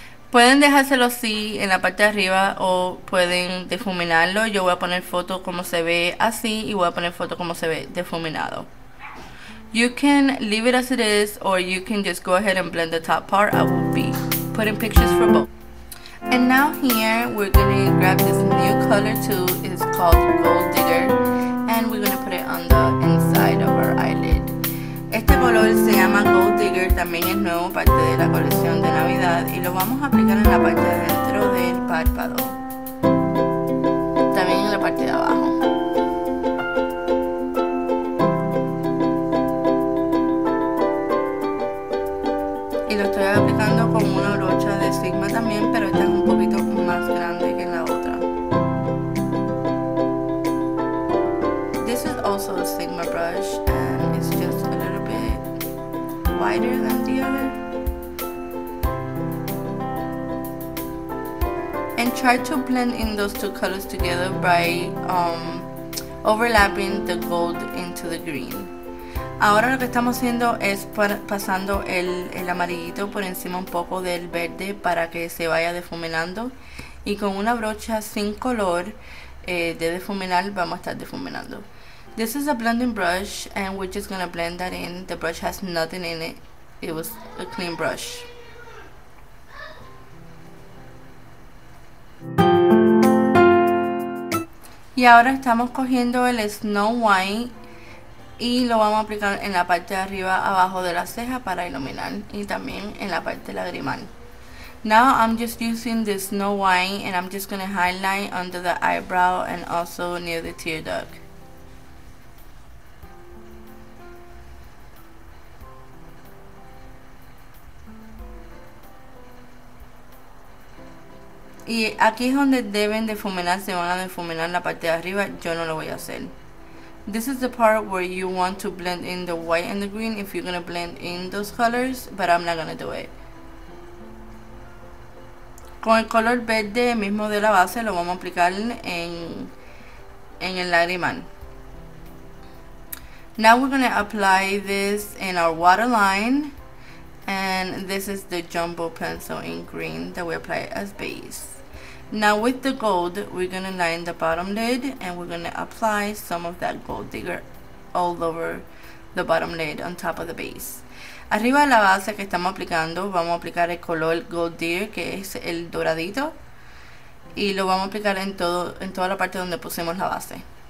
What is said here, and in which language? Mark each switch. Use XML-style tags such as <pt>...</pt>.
<es>Pueden dejárselo así en la parte de arriba o pueden difuminarlo. Yo voy a poner foto como se ve así y voy a poner foto como se ve difuminado.</es> <en>You can leave it as it is or you can just go ahead and blend the top part. I will be putting pictures for both. And now here we're gonna grab this new color too. It's called Gold Digger and we're gonna put it on the inside of our eyelid.</en> <es>Este color se llama Gold Digger, también es nuevo, parte de la colección de Navidad y lo vamos a aplicar en la parte de dentro del párpado. También en la parte de abajo. Y lo estoy aplicando con una brocha de Sigma también, pero esta es un poquito más grande que en la otra.</es> <en>This is also a Sigma brush and it's just a little bit wider than the other. And try to blend in those two colors together by overlapping the gold into the green.</en> <es>Ahora lo que estamos haciendo es pasando el amarillito por encima un poco del verde para que se vaya difuminando. Y con una brocha sin color de difuminar, vamos a estar difuminando.</es> <en>This is a blending brush and we're just gonna blend that in. The brush has nothing in it. It was a clean brush.</en> <es>Y ahora estamos cogiendo el Snow White. Y lo vamos a aplicar en la parte de arriba, abajo de la ceja para iluminar y también en la parte lagrimal.</es> <en>Now I'm just using this Snow White and I'm just going to highlight under the eyebrow and also near the tear duct.</en> <es>Y aquí es donde deben difuminar, se van a difuminar la parte de arriba, yo no lo voy a hacer.</es> <en>This is the part where you want to blend in the white and the green if you're gonna blend in those colors, but I'm not gonna do it.</en> <es>Con el color verde mismo de la base lo vamos a aplicar en el lagrimal.</es> <en>Now we're gonna apply this in our waterline, and this is the Jumbo Pencil in green that we apply as base. Now with the gold, we're gonna line the bottom lid and we're gonna apply some of that gold digger all over the bottom lid on top of the base.</en> <es>Arriba de la base que estamos aplicando, vamos a aplicar el color Gold Digger, que es el doradito, y lo vamos a aplicar en todo, en toda la parte donde pusimos la base.</es>